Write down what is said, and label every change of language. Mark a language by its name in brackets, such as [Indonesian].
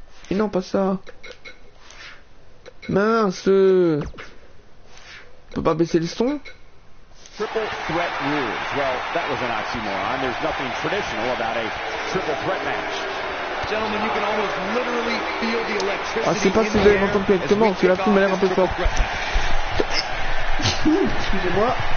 [French] Et non, pas ça. Mince. On peut pas baisser le son? [English] Triple threat rules. Well, that was an oxymoron. There's nothing traditional about a triple threat match. Gentlemen, you can almost literally feel the electricity. [French] Ah, c'est pas si vous allez m'entendre correctement, parce que la foule m'a l'air un peu fort. Excusez-moi.